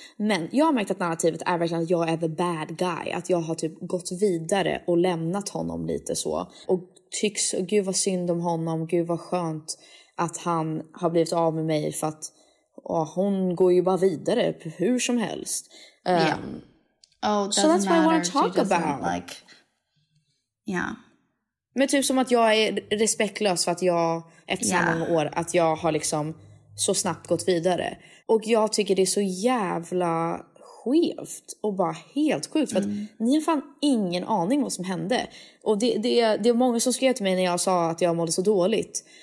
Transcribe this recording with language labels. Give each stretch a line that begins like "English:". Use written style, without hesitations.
Swedish: Men jag har märkt att narrativet är verkligen att jag är
English: the bad guy.
Swedish: Att jag har typ gått vidare och lämnat honom lite så. Och tycks, gud vad synd om honom, gud vad skönt att han har blivit av med mig, för att hon går ju bara vidare hur som helst.
English: Oh, so that's what I want to talk about. Like, yeah.
Swedish: Men typ som att jag är respektlös för att jag, efter så många år, att jag har liksom så snabbt gått vidare. Och jag tycker det är så jävla skevt och bara helt sjukt. För att ni har fan ingen aning vad som hände. Och det är många som skrev till mig när jag sa att jag mådde så dåligt.